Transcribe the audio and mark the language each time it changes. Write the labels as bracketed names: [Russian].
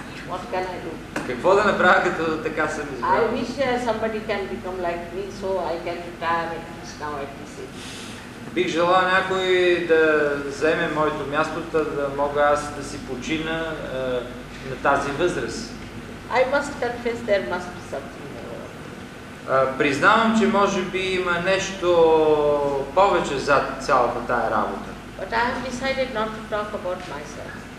[English] What can I do? [Bulgarian] Какво да направя, като така съм избрал? [English] I wish somebody can become like me, so I can retire at least now at this age. [Bulgarian] Бих желал някой да вземе моето място, да мога аз да си почина на тази възраст. [English] I must confess there must be something more. [Bulgarian] Признавам, че може би има нещо повече зад цялата тая работа. [English] But I have decided not to talk about myself.